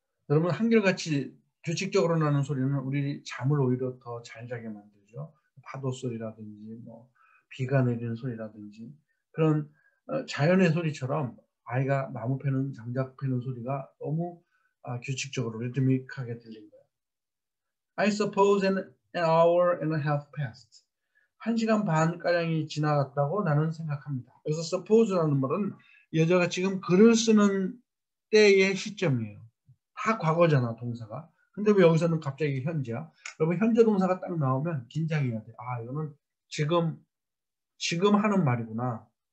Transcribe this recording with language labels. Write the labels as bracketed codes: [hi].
[ko] 여러분, 한결같이 규칙적으로 나는 소리는 우리 잠을 오히려 더잘 자게 만들죠. 파도 소리라든지, 뭐, 비가 내리는 소리라든지. 그런 자연의 소리처럼 아이가 나무 패는, 장작 패는 소리가 너무 규칙적으로 리드믹하게 들린 거예요. [en] I suppose an hour and a half passed. [ko] 한 시간 반가량이 지나갔다고 나는 생각합니다. 그래서 suppose라는 말은 여자가 지금 글을 쓰는 때의 시점이에요. 다 과거잖아, 동사가. 근데 왜 여기서는 갑자기 현재야? 여러분, 현재 동사가 딱 나오면 긴장해야 돼. 아, 이거는 지금 하는 말이구나.